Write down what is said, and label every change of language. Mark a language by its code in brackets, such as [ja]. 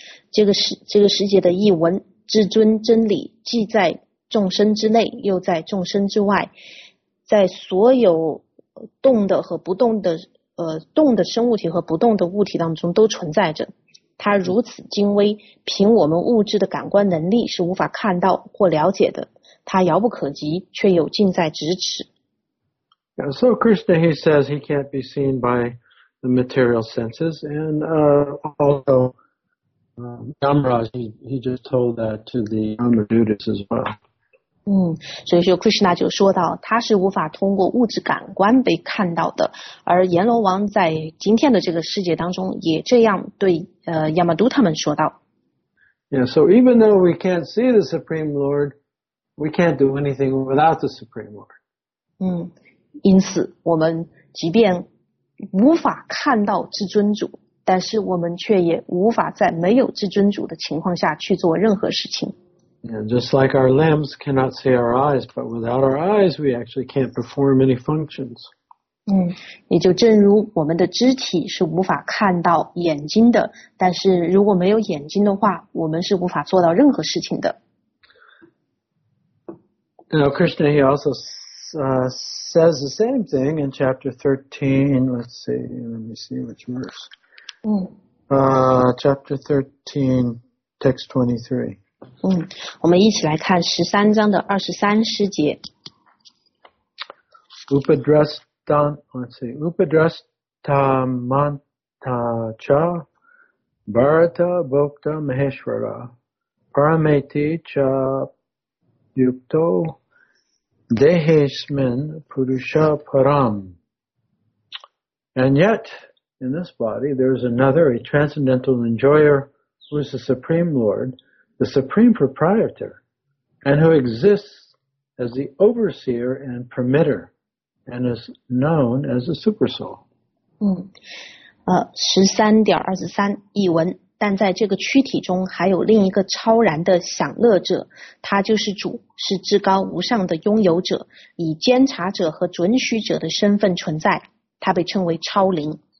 [zh] 这个世界的译文，至尊真理既在众生之内，又在众生之外，在所有动的和不动的，动的生物体和不动的物体当中都存在着。它如此精微，凭我们物质的感官能力是无法看到或了解的。它遥不可及，却又近在咫尺。 [en] Yeah, so Krishna, he says he can't be seen by the material senses, and also Yamaraj, he just told that to the Yamadutas as well. [zh] 所以说 Krishna 就说到，他是无法通过物质感官被看到的。而阎罗王在今天的这个世界当中也这样对Yamadut 他们说道。 [en] Yeah, so even though we can't see the Supreme Lord, we can't do anything without the Supreme Lord. [zh] 因此我们即便无法看到至尊主，但是我们却也无法在没有至尊主的情况下去做任何事情。 [en] And just like our limbs cannot see our eyes, but without our eyes, we actually can't perform any functions. [zh] 也就正如我们的肢体是无法看到眼睛的，但是如果没有眼睛的话，我们是无法做到任何事情的。 [en] Now, Krishna, he also says the same thing in chapter 13. Let me see which verse. Chapter 13, text 23. [zh] 我们一起来看十三章的二十三诗节。 [sa] Upadrasta manta cha Bharata bhokta maheshvara Parameti cha yukto Dehesmin purusha param. [en] And yet, in this body, there is another, a transcendental enjoyer who is the Supreme Lord. The supreme proprietor, and who exists as the overseer and permitter, and is known as the super soul. [zh] 13.23 译文，但在这个躯体中还有另一个超然的享乐者，他就是主，是至高无上的拥有者，以监察者和准许者的身份存在，他被称为超灵。